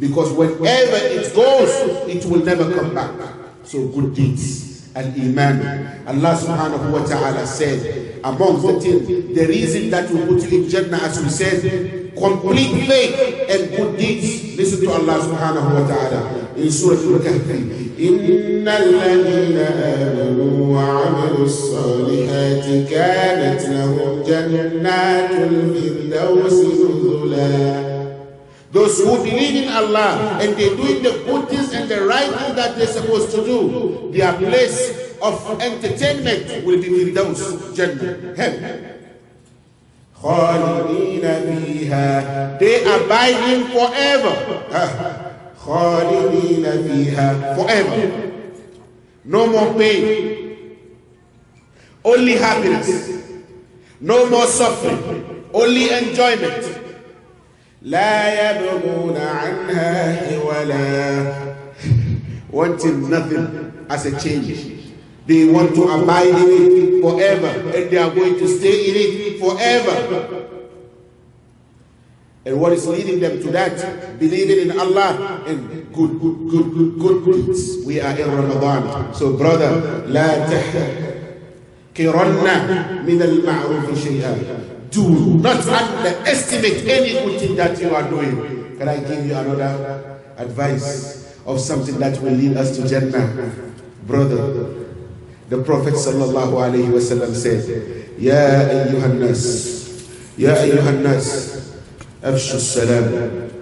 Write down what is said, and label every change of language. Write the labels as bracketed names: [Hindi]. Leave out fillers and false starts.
[English] Because wherever it goes, it will never come back. So good deeds and iman. Allah subhanahu wa ta'ala said, among the things, the reason that we put you in Jannah, as we said, complete faith and good deeds. Listen to Allah subhanahu wa ta'ala in Surah Al-Kahfi. [Arabic] إن الذين آمنوا وعملوا الصالحات كانت لهم جنات الفردوس نزلا. [English] Those who believe in Allah and they doing the good things and the right things that they're supposed to do, their place of entertainment will be Firdaus, Jannah, [Arabic] خالدين فيها. [English] They abide in forever. [Arabic] خالدين فيها [English] forever. No more pain. Only happiness. No more suffering. Only enjoyment. [Arabic] لا يبغون عنها ولا [English] wanting nothing as a change. They want to abide in it forever, and they are going to stay in it forever. And what is leading them to that? Believing in Allah and good deeds. We are in Ramadan. So brother, [Arabic] لا تحقرن من المعروف شيئا. [English] Do not underestimate any good thing that you are doing. Can I give you another advice of something that will lead us to Jannah? Brother, the Prophet sallallahu alayhi wa sallam said, [Arabic] Ya ayyuhal nas, Ya ayyuhal nas, afshu salam.